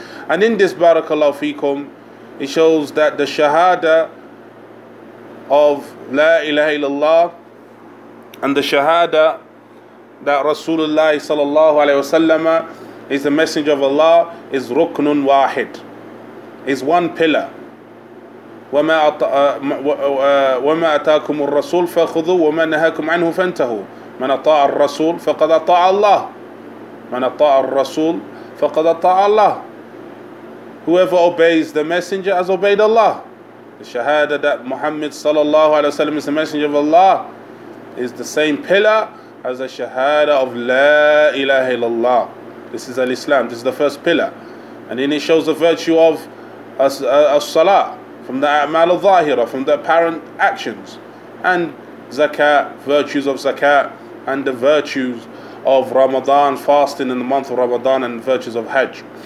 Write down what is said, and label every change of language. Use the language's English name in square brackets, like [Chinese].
[English] And in this, barakallahu fikum, it shows that the Shahada of La ilaha illallah and the Shahada that Rasulullah sallallahu alaihi wasallam is the Messenger of Allah is ruknun wahid, is one pillar. [Arabic] وَمَا أَتَاكُمُ الرَّسُولُ فَخُذُوا وَمَا نَهَاكُمْ عَنْهُ فَانْتَهُوا مَنْ أَطَاعَ الرَّسُولُ فَقَدْ أَطَاعَ اللَّهُ مَنْ أَطَاعَ الرَّسُولُ فَقَدْ أَطَاعَ اللَّهُ. [English] Whoever obeys the Messenger has obeyed Allah. The Shahada that Muhammad sallallahu alayhi wa sallam is the Messenger of Allah is the same pillar as the Shahada of La ilaha illallah. This is al-Islam, this is the first pillar. And then it shows the virtue of as-salah, from the a'mal al-zahira, from the apparent actions, and zakah, virtues of zakah, and the virtues of Ramadan, fasting in the month of Ramadan, and virtues of hajj.